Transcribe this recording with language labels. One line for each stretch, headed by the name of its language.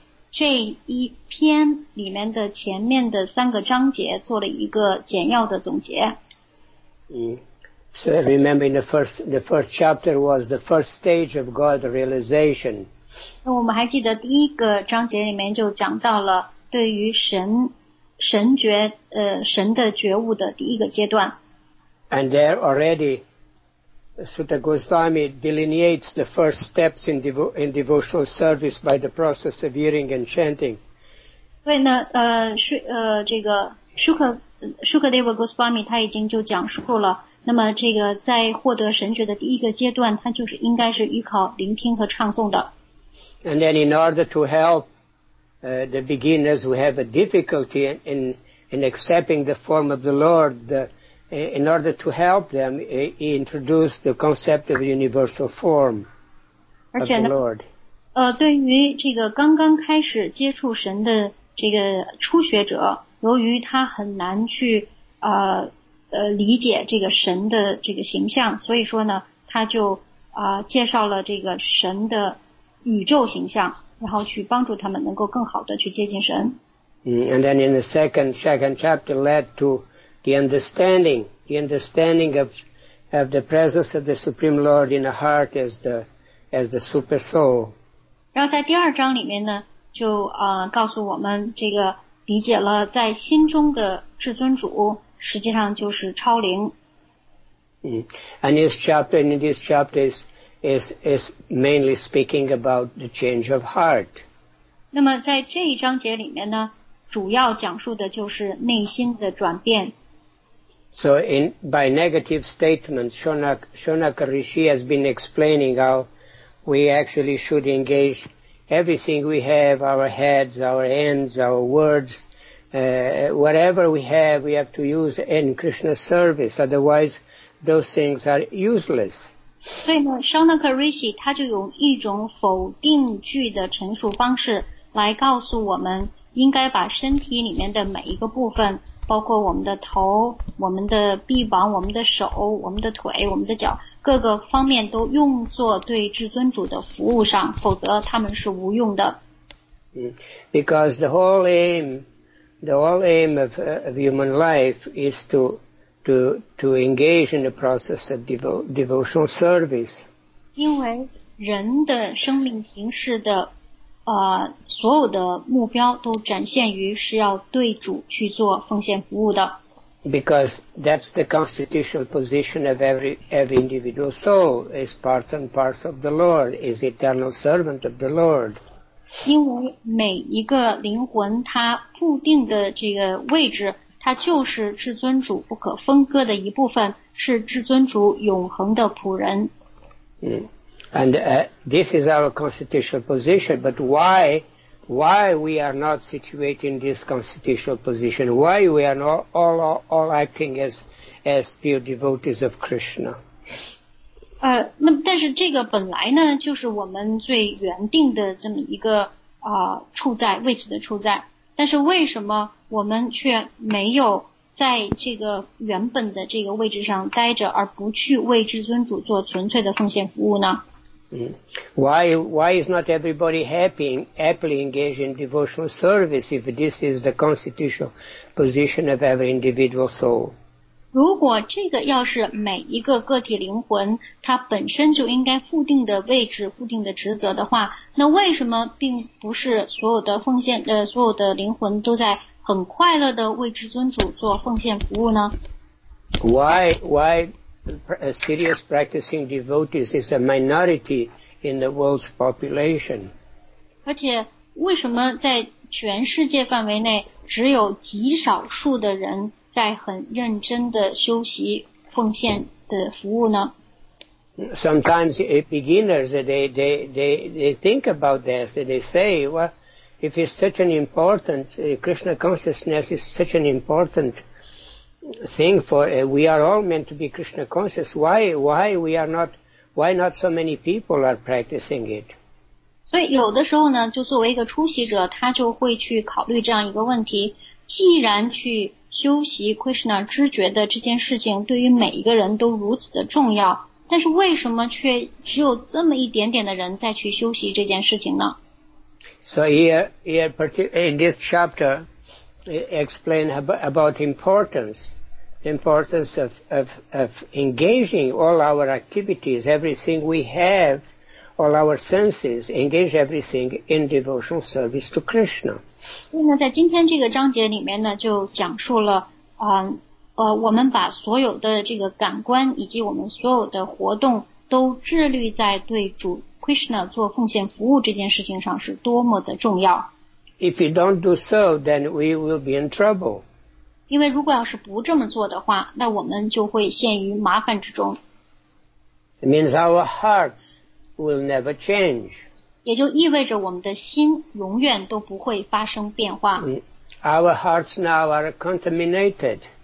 Chinese: 这一篇里面的前面的三个章节做了一个简要的总结。
English: So remember, the first chapter was the first stage of God realization.
Chinese: 那我们还记得第一个章节里面就讲到了对于神的觉悟的第一个阶段。
English: And there already, Sutta Goswami delineates the first steps in devotional service by the process of hearing and chanting.
Chinese: 对呢，这个Shukadeva Goswami 他已经就讲述了，那么这个在获得神觉的第一个阶段，他就是应该是依靠聆听和唱诵的。
English: And then in order to help the beginners who have a difficulty in accepting the form of the Lord, In order to help them, he introduced the concept of universal form of the Lord.
Chinese: 对于这个刚刚开始接触神的这个初学者，由于他很难去理解这个神的这个形象，所以说呢，他就介绍了这个神的宇宙形象，然后去帮助他们能够更好的去接近神。
English: And then in the second chapter led to The understanding of the presence of the Supreme Lord in the heart as the super soul.
Chinese: 然后在第二章里面呢，就告诉我们这个理解了在心中的至尊主，实际上就是超灵。
English: And this chapter, in this chapter, is mainly speaking about the change of heart.
Chinese: 那么在这一章节里面呢，主要讲述的就是内心的转变。
English: So by negative statements, Shonaka Rishi has been explaining how we actually should engage everything we have, our heads, our hands, our words, whatever we have to use in Krishna's service, otherwise those things are useless.
Chinese: 所以呢 ,Shonaka Rishi 他就用一种否定句的陈述方式来告诉我们应该把身体里面的每一个部分，包括我们的头、我们的臂膀、我们的手、我们的腿、我们的脚，各个方面都用作对至尊主的服务上，否则他们是无用的。
English: Because the whole aim of human life is to engage in the process of devotional service.
Chinese: 因为人的生命形式的所有的目标都展现于是要对主去做奉献服务的。
English: Because that's the constitutional position of every individual soul, is part and parcel of the Lord, is eternal servant of the Lord.
Chinese: 因为每一个灵魂它固定的这个位置，它就是至尊主不可分割的一部分，是至尊主永恒的仆人。
English: This is our constitutional position, but why we are not situated in this constitutional position? Why we are not all acting as pure devotees of Krishna?
Chinese: 那但是这个本来呢，就是我们最原定的这么一个处在位置的处在。但是为什么我们却没有在这个原本的这个位置上待着，而不去为至尊主做纯粹的奉献服务呢？
English: Why is not everybody happily engaged in devotional service if this is the constitutional position of every individual soul?
Chinese: 如果这个要是每一个个体灵魂它本身就应该固定的位置、固定的职责的话，那为什么并不是所有的奉献所有的灵魂都在很快乐的为至尊主做奉献服务呢？
English: Why serious practicing devotees is a minority in the world's population?
Chinese: 而且为什么在全世界范围内只有极少数的人在很认真的修习奉献的服务呢？
English: Sometimes beginners they think about this and they say, well,if it's such an important, Krishna consciousness is such an important thing for, we are all meant to be Krishna conscious, why not so many people are practicing it?
Chinese: 所以有的时候呢，就作为一个初习者，他就会去考虑这样一个问题，既然去修习 Krishna 知觉的这件事情对于每一个人都如此的重要，但是为什么却只有这么一点点的人在去修习这件事情呢？
English: So here, in this chapter, explain about importance of engaging all our activities, everything we have, all our senses, engage everything in devotional service to Krishna.
Chinese: 那在今天这个章节里面呢，就讲述了，我们把所有的这个感官以及我们所有的活动都致力在对主Krishna 做奉献服务这件事情上是多么的重要。
English: If you don't do so, then we will be in trouble.
Chinese: 因为如果要是不这么做的话，那我们就会陷于麻烦之中。
English: It means our hearts will never change.
Chinese: 也就意味着我们的心永远都不会发生变化。
English: Our hearts now are contaminated.